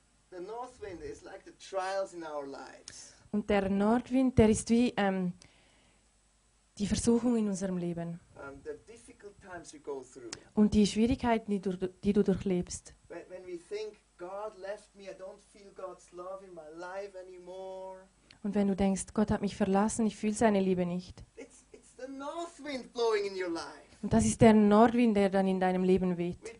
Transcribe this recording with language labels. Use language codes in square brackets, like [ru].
[en] The north wind is like the trials in our lives. [de] Und der Nordwind, der ist wie die Versuchung in unserem Leben. [en] The difficult times you go through. [de] Und die Schwierigkeiten, die du durchlebst. Und wenn du denkst, Gott hat mich verlassen, ich fühle seine Liebe nicht. [en] It's the north wind blowing in your life. [de] Und das ist der Nordwind, der dann in deinem Leben weht.